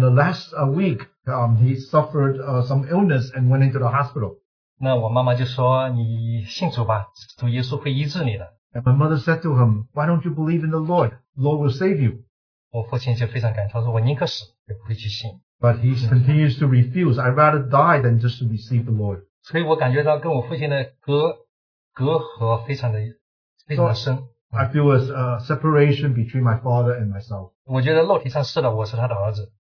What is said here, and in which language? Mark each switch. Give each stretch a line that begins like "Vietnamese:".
English: the last week, he suffered some illness and went into the hospital.
Chinese: 那我妈妈就说，你信主吧，主耶稣会医治你的。
English: And my mother said to him, why don't you believe in the Lord? The Lord will save you.
Chinese: 我父亲就非常感动，他说我宁可死也不会去信。
English: But he continues to refuse. I'd rather die than just to receive the Lord.
Chinese: 所以我感觉到跟我父亲的隔阂非常的深。
English: So I feel a separation between my father and myself.
Chinese: 我觉得肉体上是的,我是他的儿子。